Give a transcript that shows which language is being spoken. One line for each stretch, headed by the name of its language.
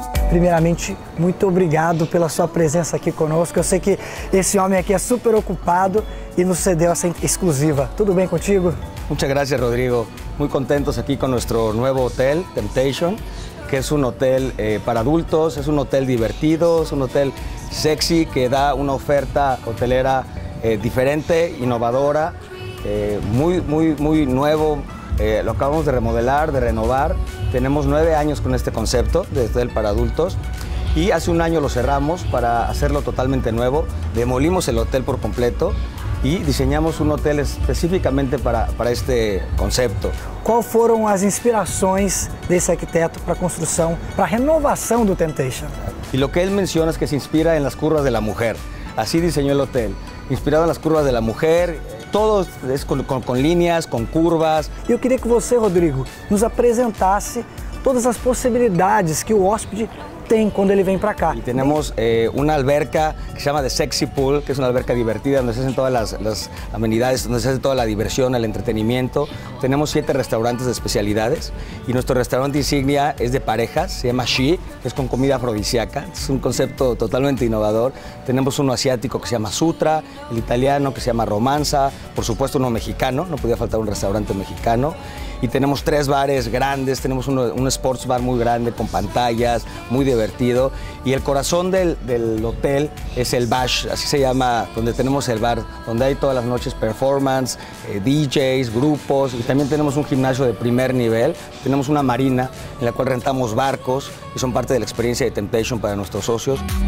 Portuguese: Primeiramente, muito obrigado pela sua presença aqui conosco. Eu sei que esse homem aqui é super ocupado e nos cedeu essa exclusiva. Tudo bem contigo?
Spanish: Muchas gracias, Rodrigo. Muy contentos aquí con nuestro nuevo hotel, Temptation, que es un hotel para adultos, es un hotel divertido, es un hotel sexy que da una oferta hotelera diferente, innovadora, muy nuevo. Lo acabamos de remodelar, de renovar. Tenemos 9 años con este concepto de hotel para adultos y hace un año lo cerramos para hacerlo totalmente nuevo. Demolimos el hotel por completo y diseñamos un hotel específicamente para este concepto. ¿Cuáles fueron las inspiraciones de ese arquitecto para la construcción, para la renovación del Temptation? Y lo que él menciona es que se inspira en las curvas de la mujer. Así diseñó el hotel, inspirado en las curvas de la mujer.
Portuguese: Todo é com linhas, com curvas. Eu queria que você, Rodrigo, nos apresentasse todas as possibilidades que o hóspede tem quando ele vem para cá. E temos uma alberca que se chama de Sexy Pool, que é uma alberca divertida, onde se fazem todas as amenidades, onde se faz toda a diversão, o entretenimento. Temos 7 restaurantes de especialidades e nosso restaurante insignia é de parejas, se chama She, que é com comida afrodisíaca. É um conceito totalmente inovador. Temos um asiático que se chama Sutra, o italiano que se chama Romanza, por supuesto, um mexicano, não podia faltar um restaurante mexicano.
Spanish: y tenemos tres bares grandes, tenemos un sports bar muy grande con pantallas, muy divertido, y el corazón del hotel es el Bash, así se llama, donde tenemos el bar, donde hay todas las noches performance, DJs, grupos, y también tenemos un gimnasio de primer nivel, tenemos una marina en la cual rentamos barcos y son parte de la experiencia de Temptation para nuestros socios.